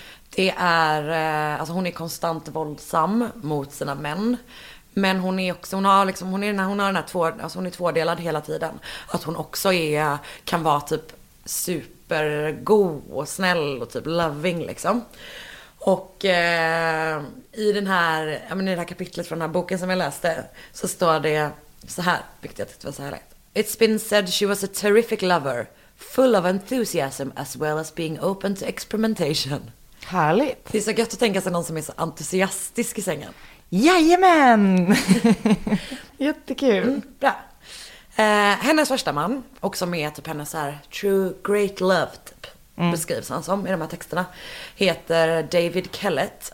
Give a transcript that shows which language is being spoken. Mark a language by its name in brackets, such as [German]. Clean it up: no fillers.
[Swedish] Det är alltså hon är konstant våldsam mot sina män, men hon är också hon är tvådelad hela tiden, att hon också är kan vara typ supergod och snäll och typ loving liksom. Och i det här kapitlet från den här boken som jag läste så står det så här, vilket jag tyckte var så härligt. [English] It's been said she was a terrific lover, full of enthusiasm as well as being open to experimentation. [Swedish] Härligt. Det är så gött att tänka sig någon som är så entusiastisk i sängen. Jajamän! Jättekul. Bra. Hennes första man, också med typ hennes här true great love typ, beskrivs han som i de här texterna, heter David Kellett.